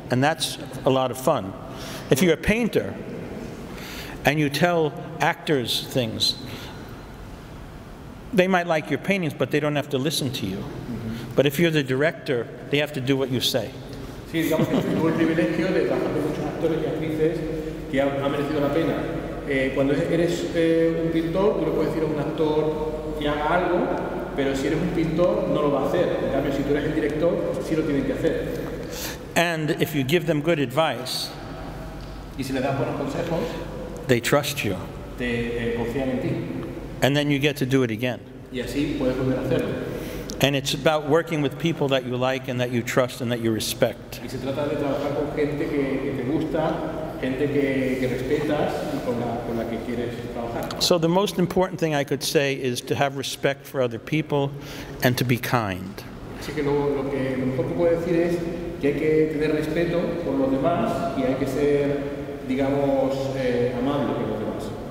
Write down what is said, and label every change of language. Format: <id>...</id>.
<en>And that's a lot of fun. If you're a painter and you tell actors things, they might like your paintings, but they don't have to listen to you. Mm-hmm. But if you're the director, they have to do what you say.</en> <es>Sí, digamos que tuve el privilegio de trabajar con muchos actores y actrices que ha merecido la pena. Cuando eres un pintor, tú le puedes decir a un actor que haga algo, pero si eres un pintor, no lo va a hacer. En cambio, si tú eres el director, sí lo tienen que hacer.</es> <en>And if you give them good advice,</en> <es>y si le das buenos consejos,</es> <en>they trust you.</en> <es>Te confían en ti.</es> <en>And then you get to do it again.</en> <es>Y así puedes volver a hacerlo.</es> <en>And it's about working with people that you like and that you trust and that you respect.</en> <es>Y se trata de trabajar con gente que te gusta, gente que respetas y con la que quieres trabajar.</es> <en>So the most important thing I could say is to have respect for other people and to be kind.</en> <es>Así que lo mejor que puedo decir es que hay que tener respeto por los demás y hay que ser, digamos, amable con los demás.</es>